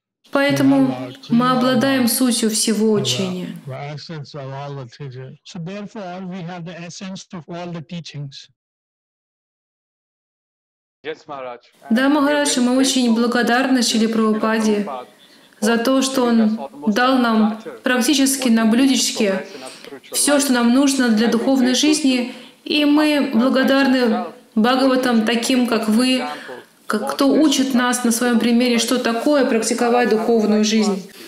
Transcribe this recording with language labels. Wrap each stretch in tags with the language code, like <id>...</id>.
<ru>Поэтому мы обладаем сутью всего учения.</ru> <en>The essence of all the teachings. So therefore, we have the essence of all the teachings. Yes, Maharaj.</en> <ru>Да, Махарадж, мы очень благодарны Шриле Прабхупаде за то, что он дал нам практически на блюдечке все, что нам нужно для духовной жизни. И мы благодарны Бхагаватам, таким, как вы, кто учит нас на своем примере, что такое практиковать духовную жизнь.</ru>